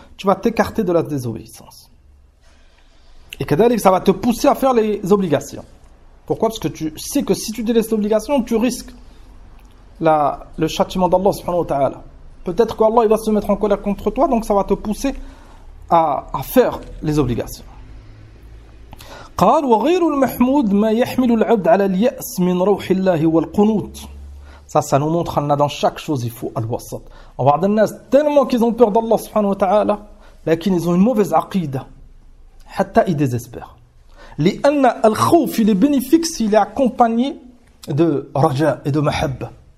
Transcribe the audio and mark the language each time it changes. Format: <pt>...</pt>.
<fr>Tu vas t'écarter de la désobéissance. Et kadhalik, ça va te pousser à faire les obligations. Pourquoi ? Parce que tu sais que si tu délaisses l'obligation, tu risques le châtiment d'Allah subhanahu wa ta'ala. Peut-être qu'Allah il va se mettre en colère contre toi, donc ça va te pousser à faire les obligations.</fr> <ar>قال وغير المحمود ما يحمل العبد على اليأس من روح الله والقنوت.</ar> <fr>Ça nous montre qu'on a dans chaque chose il faut al-wasat. On va dire les gens tellement qu'ils ont peur d'Allah subhanahu wa ta'ala, mais ils ont une mauvaise aqida. Hatta ils désespèrent.</fr> <ar>لأن الخوف</ar> <fr>il est bénéfique s'il est accompagné de raja et de mahabba.</fr>